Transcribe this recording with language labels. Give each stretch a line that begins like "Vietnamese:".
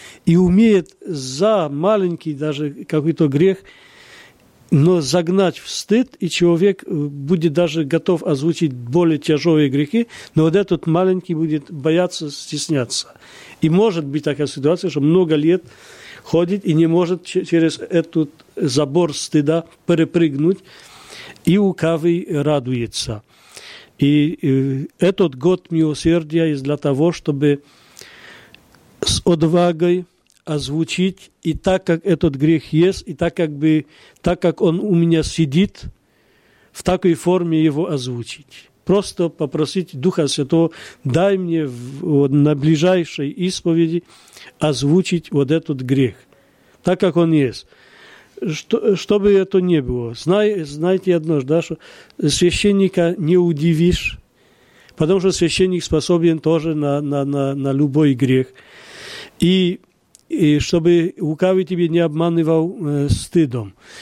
Ukrainian: І вміє за маленький навіть якийсь гріх, но загнати в стид, і чоловік буде навіть готов озвучити більш тяжкі гріхи, но
Russian: от этот маленький
Ukrainian: буде боятися,
Russian: стесняться.
Ukrainian: І може бути така ситуація, що багато років ходить і не може через
Russian: этот забор
Ukrainian: стида перепрыгнути, і лукавий радується.
Russian: И этот год милосердия есть для того, чтобы с отвагой озвучить и так, как этот грех есть, и так, как бы, так как он у меня сидит, в такой форме его озвучить.
Ukrainian: просто попросити Духа Святого, дай мені на ближайшій исповіді озвучити
Russian: вот этот грех,
Ukrainian: так як он є.
Russian: Что бы это ни было, знайте одно, да, что священника не удивишь, потому что священник способен тоже на любой грех. И чтобы лукавый тебе не обманывал стыдом.